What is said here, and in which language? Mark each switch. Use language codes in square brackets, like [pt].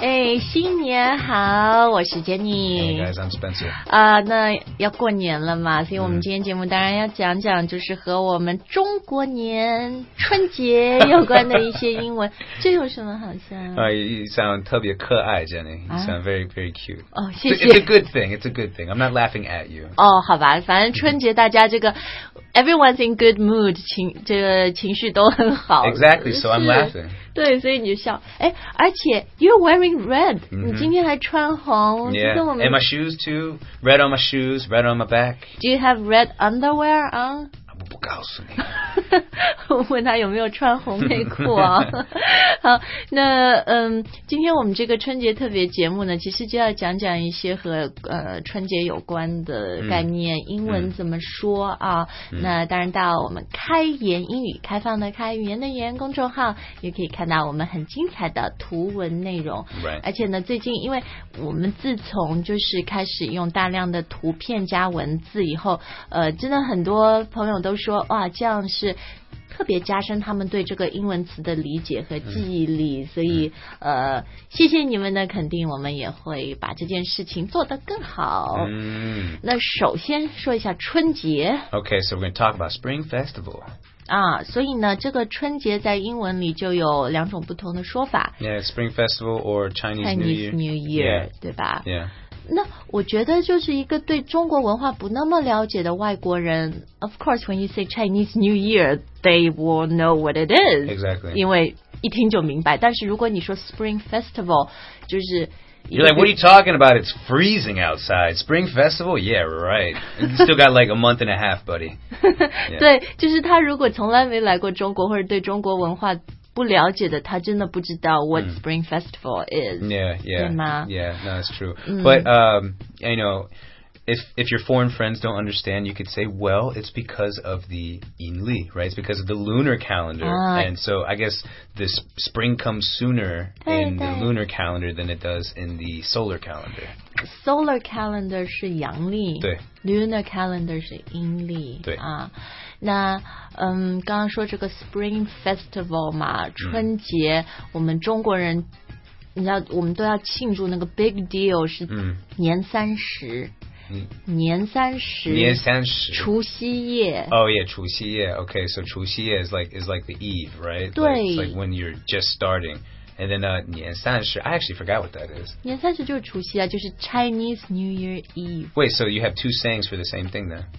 [zh] 哎，新年好，我是 Jenny。 [en] Hey guys, I'm Spencer. [zh] 那要过年了嘛，所以我们今天节目当然要讲讲就是和我们中国年春节有关的一些英文。这有什么好像？ [en] You sound [zh] 特别可爱 [en] Jenny. You sound very, very cute. [zh] 哦，谢谢。 [en] It's a good thing. I'm not laughing at you. [zh] 哦，好吧，反正春节大家这个 [en] Everyone's in good mood, [zh] 这个情绪都很好。 [en] Exactly, so I'm laughing. [zh] 对，所以你就笑。哎，而且 [en] you're wearing red,、mm-hmm. [zh] 你今天还穿红。 [en] Yeah, and my shoes too. Red on my shoes, red on my back. Do you have red underwear on? [zh] 我不告诉你。我问他有没有穿红内裤啊。好，那今天我们这个春节特别节目呢，其实就要讲讲一些和春节有关的概念、英文怎么说啊、那当然到我们开言英语开放的开语言的言公众号也可以看到我们很精彩的图文内容、 [en] right. [zh] 而且呢最近因为我们自从就是开始用大量的图片加文字以后真的很多朋友都说哇这样是特别加深他们对这个英文词的理解和记忆力、所以谢谢你们的肯定我们也会把这件事情做得更好、那首先说一下春节 [en] Okay, so we're going to talk about Spring Festival [zh] 啊，所以呢这个春节在英文里就有两种不同的说法 [en] Yeah, Spring Festival or Chinese New Year、 yeah. [zh] 对吧 [en] Yeah [zh] 那我觉得就是一个对中国文化不那么了解的外国人 [en] Of course, when you say Chinese New YearThey will know what it is. Exactly. [zh] 因为一听就明白。但是如果你说 Spring Festival, 就是 [en] You're like, what are you talking about? It's freezing outside. Spring Festival? Yeah, right. You still got like a month and a half, buddy. [zh] 对，就是他如果从来没来过中国，或者对中国文化不了解的，他真的不知道 [en] what Spring Festival is. Yeah, that's true. But, you know... If your foreign friends don't understand, you could say, well, it's because of the Yinli, right? It's because of the lunar calendar. And so I guess this spring comes sooner in the lunar calendar than it does in the solar calendar. [zh] Solar calendar 是阳历 Lunar calendar 是阴历那刚刚说这个 spring festival 嘛春节我们中国人你知道我们都要庆祝那个 [en] big deal [zh] 是年三十年三十除夕夜 [en] Oh yeah, 除夕夜 Okay, so 除夕夜 is like the eve, right? [zh] 对 [en] like, It's like when you're just starting And then 年三十 I actually forgot what that is [zh] 年三十就是除夕啊就是 Chinese New Year Eve [en] Wait, so you have two sayings for the same thing then?